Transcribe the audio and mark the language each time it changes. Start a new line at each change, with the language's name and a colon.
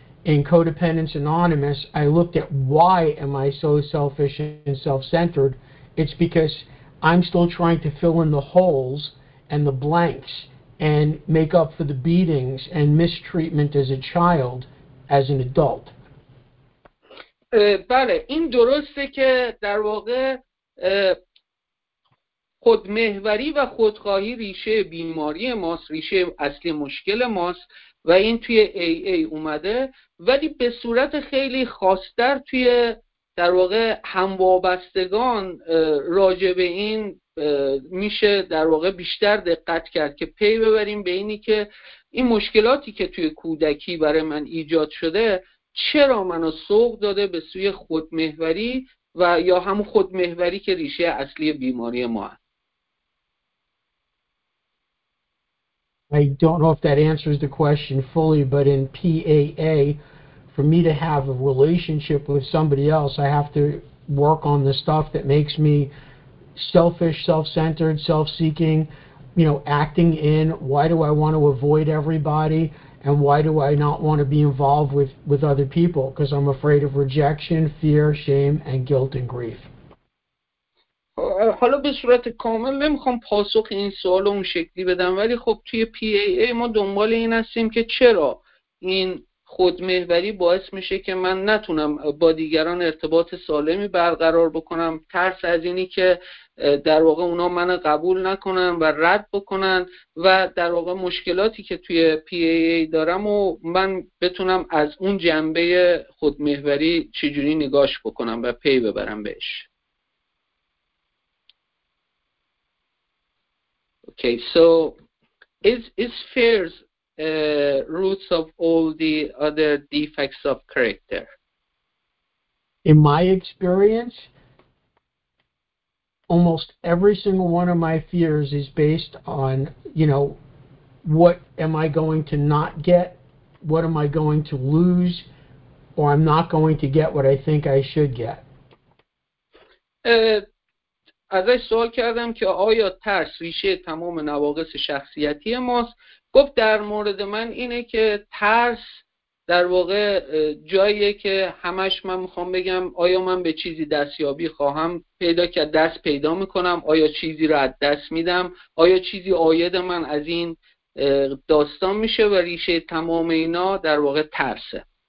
English: In Codependence Anonymous, I looked at why am I so selfish and self-centered. It's because I'm still trying to fill in the holes and the blanks and make up for the beatings and mistreatment as a child as an adult.
Persian: بله این درسته که در واقع خودمحوری و خودخواهی ریشه بیماری ماست، ریشه اصلی مشکل ماست و این توی AA اومده، ولی به صورت خیلی خاص‌تر توی در واقع هموابستگان راجع به این میشه در واقع بیشتر دقت کرد که پی ببریم به اینی که این مشکلاتی که توی کودکی برای من ایجاد شده چرا منو سوق داده به سوی خودمحوری و یا همون خودمحوری که ریشه اصلی بیماری ما هست.
English: I don't know if that answers the question fully, but in PAA, for me to have a relationship with somebody else, I have to work on the stuff that makes me selfish, self-centered, self-seeking, you know, acting in, why do I want to avoid everybody, and why do I not want to be involved with other people? Because I'm afraid of rejection, fear, shame, and guilt and grief.
Persian: حالا به صورت کامل نمیخوام پاسخ این سوال رو اون شکلی بدم، ولی خب توی PAA ما دنبال این هستیم که چرا این خودمحوری باعث میشه که من نتونم با دیگران ارتباط سالمی برقرار بکنم، ترس از اینی که در واقع اونا منو قبول نکنن و رد بکنن و در واقع مشکلاتی که توی PAA دارم و من بتونم از اون جنبه خودمحوری چجوری نگاش بکنم و پی ببرم بهش.
English: Okay, so is fears roots of all the other defects of character? In my experience, almost every single one of my fears is based on, you know, what am I going to not get? What am I going to lose? Or I'm not going to get what I think I should get.
Persian: ازش سوال کردم که آیا ترس ریشه تمام نواقص شخصیتی ماست؟ گفت در مورد من اینه که ترس در واقع جاییه که همش من میخوام بگم آیا من به چیزی دستیابی خواهم پیدا کرد، دست پیدا میکنم، آیا چیزی را از دست میدم، آیا چیزی آید من از این داستان میشه و ریشه تمام اینا در واقع ترسه.